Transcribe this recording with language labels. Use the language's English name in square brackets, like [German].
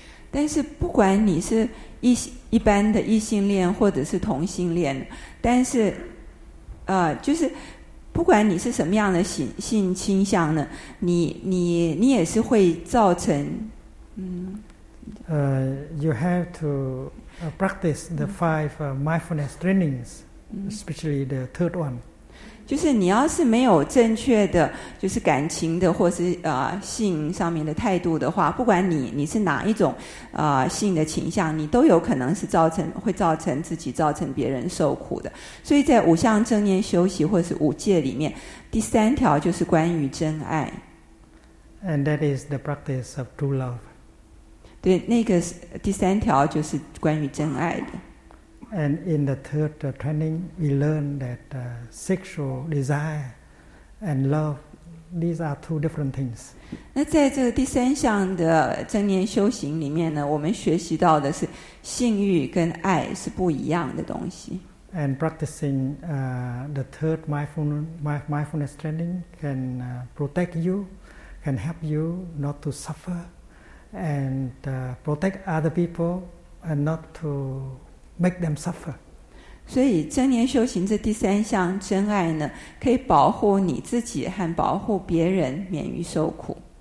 [Chinese] 但是不管你是一般的异性恋或者是同性恋，但是就是不管你是什么样的性倾向呢，你也是会造成 [English] You have to practice the five mindfulness trainings, especially the third one. [Chinese] 就是你要是没有正确的就是感情的或是性上面的态度的话，不管你是哪一种性的倾向，你都有可能是会造成自己造成别人受苦的。所以在五项正念修习或是五戒里面，第三条就是关于真爱。 [English] And that is the practice of true love. [Chinese] 对，那个第三条就是关于真爱的。 [English] And in the third training, we learn that sexual desire and love, these are two different things. [Chinese] 那在这第三项的正念修行里面呢，我们学习到的是性欲跟爱是不一样的东西。 [English] And practicing the third mindfulness training can protect you, can help you not to suffer. And protect other people and not to make them suffer. [Chinese] 所以正念修行这第三项真爱呢，可以保护你自己和保护别人免于受苦。